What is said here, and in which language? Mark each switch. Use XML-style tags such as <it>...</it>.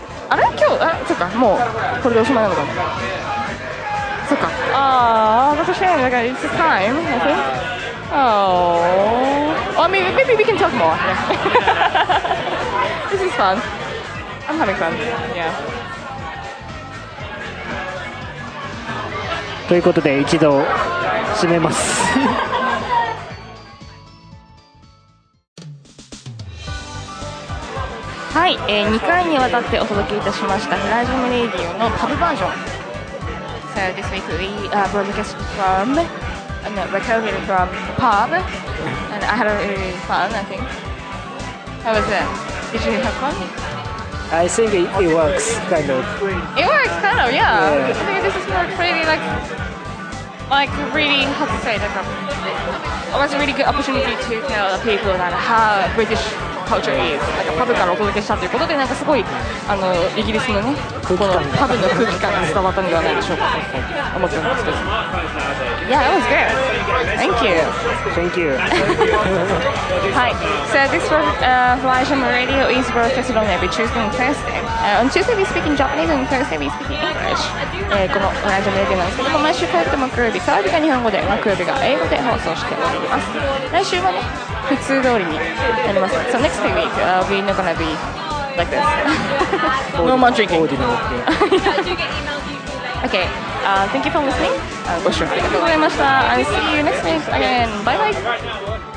<ja>あれ今日、あ、そうか、もうこれでおしまいなのかな。そっか、あー、</ja> <en>that's a shame, that's a time, I think. Oh. Well, I mean, maybe we can talk more. This is fun. I'm having fun. Yeah.</en> <ja>ということで一度締めます。はい、2回にわたってお届けいたしましたフライジングレディオのパブバージョン。</ja> <en>So this week we are broadcasting from, no, recording from pub, and I had a really fun. I think. How was it? Did you have fun? I think it works, kind of. It works, kind of, yeah. Yeah. I think this is more pretty, like really, how to say that? It was a really good opportunity to tell the people that how British culture is.</en> <ja>Like, pub からお届けしたということで、なんかすごい、イギリスのね、このパブの空気感が伝わったのではないでしょうかと思ってますけど。</ja> <en>Yeah, it was good. Thank you. Thank you. Hi. So this was Fly Jam Radio is broadcasted on every Tuesday and Thursday. On Tuesday we speak in Japanese and Thursday we speak in English.</en> <ja>このFly Jam Radio なんですけど、毎週火曜日と木曜日、火曜日が日本語で、木曜日が英語で放送しております。来週はね、普通通りになります。</ja> <en>So next week, we're not gonna be like this. No more drinking. Ordinary. Okay. Okay. Thank you for listening. Sure. Thank you very much. I'll see you next week again. Bye bye.</en>